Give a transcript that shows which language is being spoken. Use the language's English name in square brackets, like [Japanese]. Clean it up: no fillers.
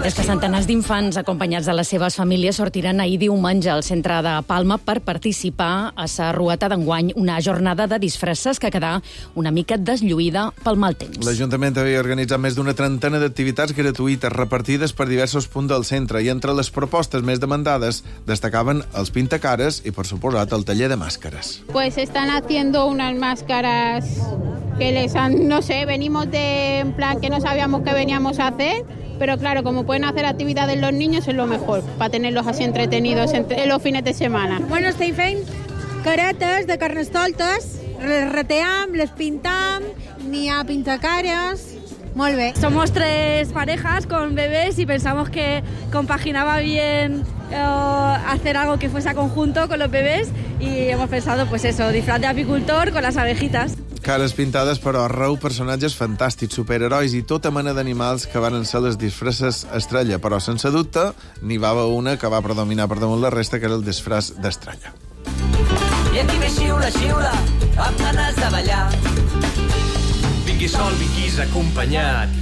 [Catalan] És que centenars d'infants acompanyats de les seves famílies sortiren ahir diumenge al centre de Palma per participar a la ruata d'enguany, una jornada de disfresses que quedà una mica deslluïda pel mal temps. L'Ajuntament havia organitzat més d'una 30 d'activitats gratuïtes repartides per diversos punts del centre i entre les propostes més demandades destacaven els pintacares i, per suposat, el taller de màscares. [Spanish] Pues están haciendo unas máscaras que les han, no sé, venimos de en plan que no sabíamos qué veníamos a hacer, pero claro, como pueden hacer actividades los niños, es lo mejor, para tenerlos así entretenidos en los fines de semana. Bueno, estoy [Catalan] fent caretes de carnestoltes, les retean, les pintam, n'hi ha pintacares. Molt bé. [Spanish] Somos 3 parejas con bebés y pensamos que compaginaba bien hacer algo que fuese a conjunto con los bebés y hemos pensado, pues eso, disfraz de apicultor con las abejitas. [Catalan] Cares pintades, però arreu personatges fantàstics, superherois i tota mena d'animals que van ser les disfresses estrella. Però, sense dubte, n'hi va haver una que va predominar per damunt la resta, que era el disfraç d'estrella. I aquí ve xiula, xiula, amb ganes de ballar. Vingui sol, vinguis acompanyat.